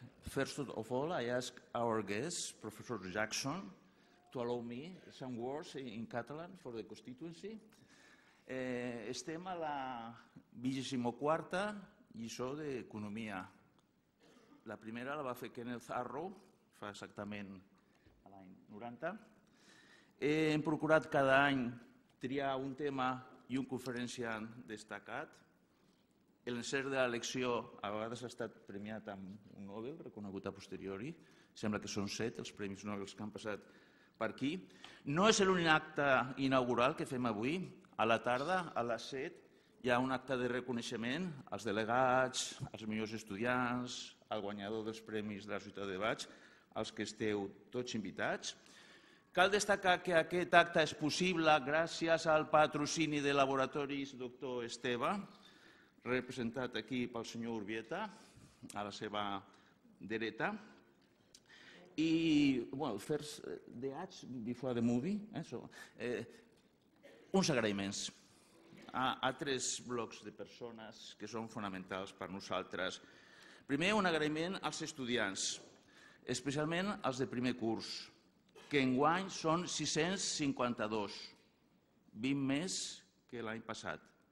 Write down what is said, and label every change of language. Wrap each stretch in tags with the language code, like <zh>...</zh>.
<en>First of all, I ask our guest, Professor Jackson, to allow me some words in Catalan for the constituency.</en> <ca>Estem a la 24a Lliçó d'Economia. La primera la va fer Kenneth Arrow, fa exactament l'any 90. Hem procurat cada any triar un tema i un conferenciant destacat. L'encert de l'elecció a vegades ha estat premiat amb un Nobel, reconegut a posteriori. Sembla que són 7 els premis Nobel que han passat per aquí. No és l'únic acte inaugural que fem avui. A la tarda, a les 7, hi ha un acte de reconeixement als delegats, als millors estudiants, al guanyador dels premis de la ciutat de Baix, als que esteu tots invitats. Cal destacar que aquest acte és possible gràcies al patrocini de laboratoris Dr. Esteve, representat aquí pel senyor Urbieta, a la seva dreta.</ca> <en>I, well, first the ads before the movie, eh?</en> <ca>Uns agraïments a tres blocs de persones que són fonamentals per nosaltres. Primer, un agraïment als estudiants, especialment als de primer curs, que enguany són 652, 20 més que l'any passat.</ca>